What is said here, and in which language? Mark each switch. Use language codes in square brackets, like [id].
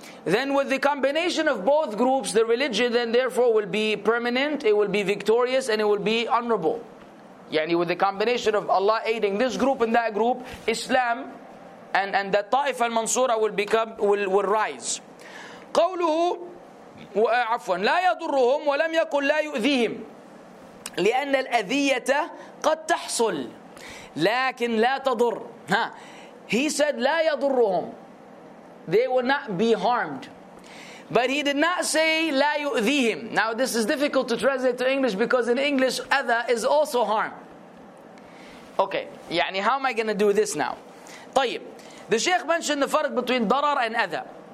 [en] Then with the combination of both groups, the religion then therefore will be permanent, it will be victorious, and it will be honorable. يعني with the combination of Allah aiding this group and that group, Islam and the طائفة المنصورة will rise. [ar] قَوْلُهُ عفوا لا يضرهم ولم يقل لا يؤذيهم لأن الأذية قد تحصل لكن لا تضر. [en] He said لا يضرهم, they will not be harmed, but he did not say لا يؤذيهم. Now this is difficult to translate to English, because in English أذى is also harm. Okay, يعني how am I going to do this now? طيب, the Sheikh mentioned the فرق between ضرر and أذى.